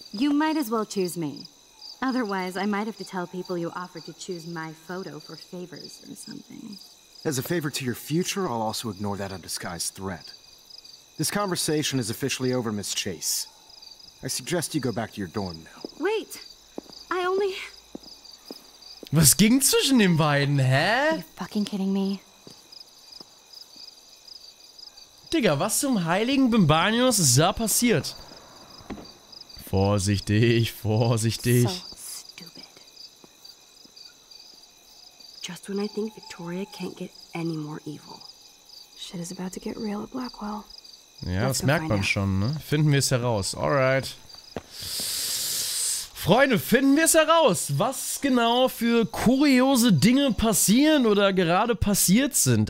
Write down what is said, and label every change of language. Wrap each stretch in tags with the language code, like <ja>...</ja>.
<en>You might as well choose me. Otherwise, I might have to tell people you offered to choose my photo for favors or something. As a favor to your future, I'll also ignore that undisguised threat. This conversation is officially over, Miss Chase. I suggest you go back to your dorm now. Wait! I only...</en> <de>Was ging zwischen den beiden, hä?</de> <en>Are you fucking kidding me?</en> <de>Digga, was zum heiligen Bimbanius ist da passiert? Vorsichtig, vorsichtig.</de> <en>So stupid. Just when I think Victoria can't get any more evil. Shit is about to get real at Blackwell.</en> <de>Ja, das merkt man schon, ne? Finden wir es heraus. Alright. Freunde, finden wir es heraus, was genau für kuriose Dinge passieren oder gerade passiert sind.</de>